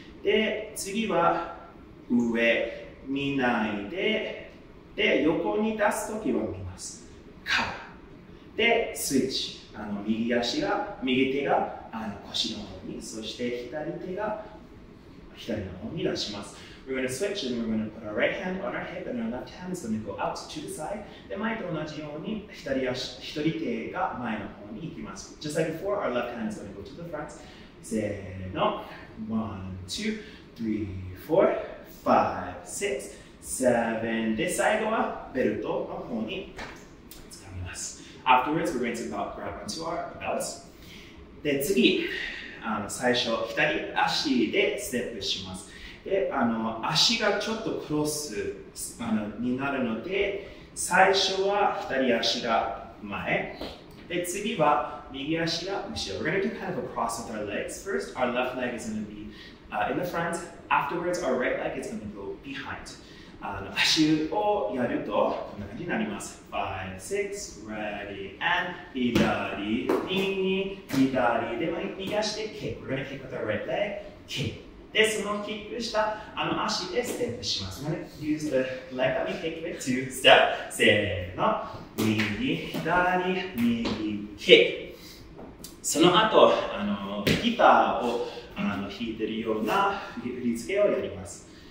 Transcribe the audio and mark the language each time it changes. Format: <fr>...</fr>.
<ja>で、次は上、見ないで、で、横に出すときは見ます。カッ。で、スイッチ。右手が腰の方に、そして左手が左の方に出します。</ja> <en>We're going to switch and we're going to put our right hand on our hip and our left hand is going to go out to the side.</en> <ja>で、前と同じように左手が前の方に行きます。</ja> <en>Just like before, our left hand is going to go to the front.</en> <ja>せーの。1, 2, 3, 4, 5, 6, 7. で、最後はベルトの方に掴みます。</ja> <en>Afterwards, we're going to grab onto our belts.</en> <ja>で、次、あの最初左足でステップします。であの足がちょっとクロスあのになるので、最初は左足が前で、次は右足が後ろ。</ja> <en>We're going to do kind of a cross with our legs. First, our left leg is going to be、in the front. Afterwards, our right leg is going to go behind.</en> <ja>足をやるとこんな感じになります。 5, 6, ready, and 左に左で、まあ、右足でキック。</ja> <en>We're going to kick with our right leg, kick.</en> <ja>で、そのキックしたあの足でステップします。</ja> <en>We're going to use the leg that we kick with to step.</en> <ja>せーの、右、左、右、キック。その後、あのギターをあの弾いてるような振り付けをやります。</ja>